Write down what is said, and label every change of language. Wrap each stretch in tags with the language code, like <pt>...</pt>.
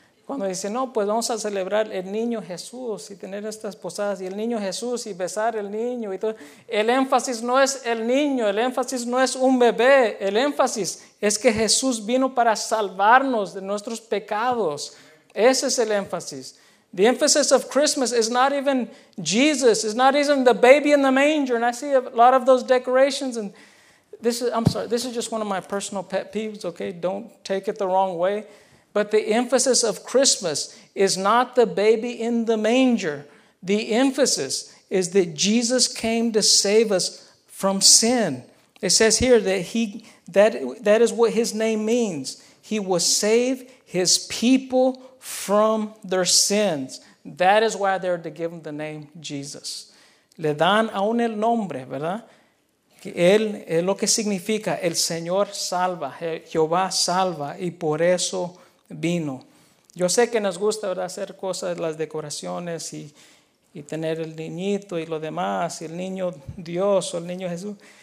<es>Cuando dice, no, pues vamos a celebrar el niño Jesús y tener estas posadas y el niño Jesús y besar el niño y todo. El énfasis no es el niño, el énfasis no es un bebé, el énfasis es que Jesús vino para salvarnos de nuestros pecados. Ese es el énfasis.</es> <en>The emphasis of Christmas is not even Jesus, it's not even the baby in the manger. And I see a lot of those decorations and this is just one of my personal pet peeves, okay? Don't take it the wrong way. But the emphasis of Christmas is not the baby in the manger. The emphasis is that Jesus came to save us from sin. It says here that that is what his name means. He will save his people from their sins. That is why they're to give him the name Jesus.</en> <es>Le dan aún el nombre, ¿verdad? Que él es lo que significa el Señor salva, Jehová salva, y por eso vino. Yo sé que nos gusta, ¿verdad?, hacer cosas, las decoraciones y tener el niñito y lo demás, y el niño Dios o el niño Jesús.</es>